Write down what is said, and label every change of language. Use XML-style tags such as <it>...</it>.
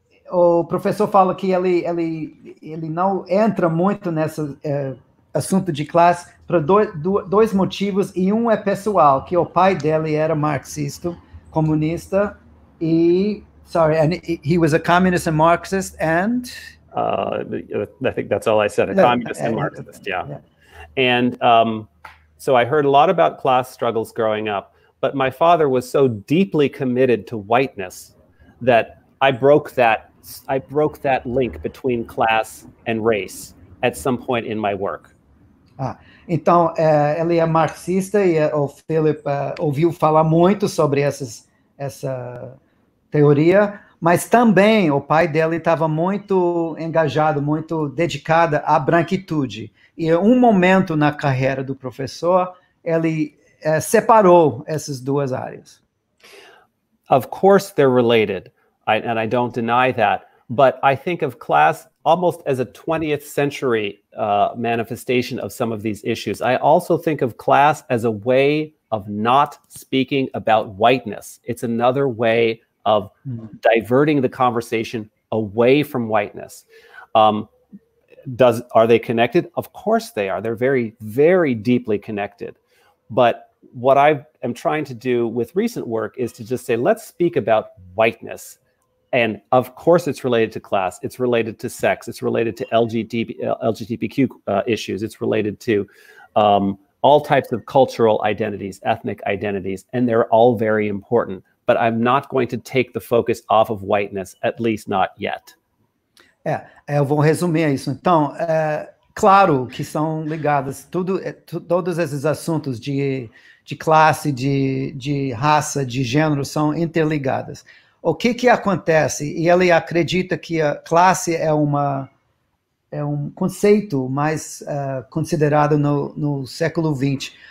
<pt>O professor fala que ele não entra muito nesse assunto de classe por dois motivos, e um é pessoal, que o pai dele era marxista, comunista, e...</pt> <en>Sorry, and he was a communist and Marxist, and... I think that's all I said, a communist and Marxist, yeah. And so I heard a lot about class struggles growing up, but my father was so deeply committed to whiteness that I broke that link between class and race at some point in my work.</en> <pt>Ah, então, ele é marxista, e o Philip ouviu falar muito sobre essa teoria, mas também o pai dele estava muito engajado, muito dedicado à branquitude. E em um momento na carreira do professor, ele separou essas duas áreas.</pt> <en>Of course they're related, and I don't deny that. But I think of class almost as a 20th century manifestation of some of these issues. I also think of class as a way of not speaking about whiteness. It's another way of diverting the conversation away from whiteness. Are they connected? Of course they are. They're very, very deeply connected. But what I am trying to do with recent work is to just say, let's speak about whiteness. And of course, it's related to class, it's related to sex, it's related to LGBTQ issues, it's related to all types of cultural identities, ethnic identities, and they're all very important. But I'm not going to take the focus off of whiteness, at least not yet.</en> <pt>É, eu vou resumir isso. Então, é, claro que são ligadas tudo, todos esses assuntos de classe, de raça, de gênero, são interligadas. O que que acontece? E ele acredita que a classe é uma é um conceito mais considerado no século XX.</pt>